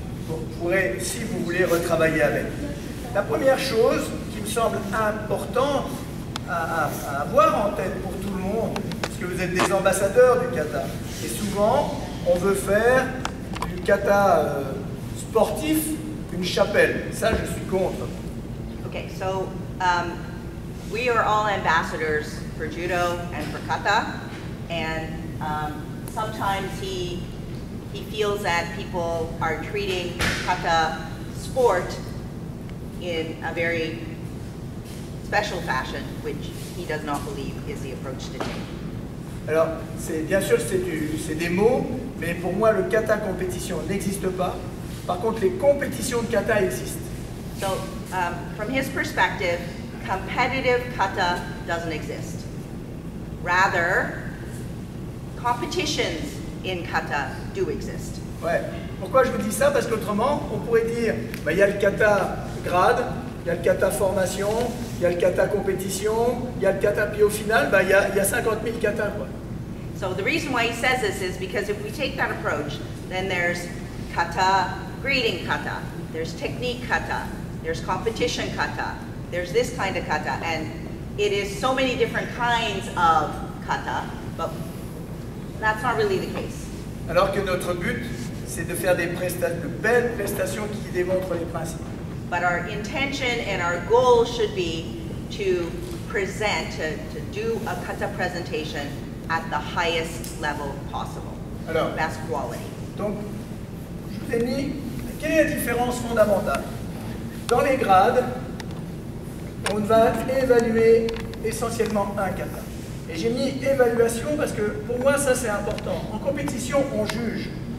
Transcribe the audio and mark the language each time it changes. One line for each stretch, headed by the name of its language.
French: Vous pourrez, si vous voulez, retravailler avec. La première chose qui me semble importante à avoir en tête pour tout le monde, parce que vous êtes des ambassadeurs du kata, et souvent, on veut faire du kata sportif une chapelle. Ça, je suis contre.
English: OK, so, we are all ambassadors for judo and for kata, and sometimes he feels that people are treating kata sport in a very special fashion, which he does not believe is the approach to take.
French: Alors, c'est bien sûr c'est des mots, mais pour moi le kata compétition n'existe pas. Par contre, les compétitions de kata existent. So, from his perspective, competitive kata doesn't exist. Rather, competitions in kata do exist. Ouais. Pourquoi je vous dis ça? Parce qu'autrement, on pourrait dire, il y a le kata grade, il y a le kata formation, il y a le kata compétition, il y a le kata, puis au final, il y a 50 000 kata, quoi.
English: So the reason why he says this is because if we take that approach, then there's kata, grading kata, there's technique kata, there's competition kata, there's this kind of kata, and it is so many different kinds of kata, but that's not really the case.
French: Alors que notre but, c'est de faire des prestations, de belles prestations qui démontrent les principes.
English: But our intention and our goal should be to present, to do a kata presentation at the highest level possible.
French: Alors,
English: best quality.
French: Donc, je vous ai mis, quelle est la différence fondamentale? Dans les grades, on va évaluer essentiellement un kata. Et j'ai mis évaluation parce que pour moi, ça c'est important. En compétition, on juge.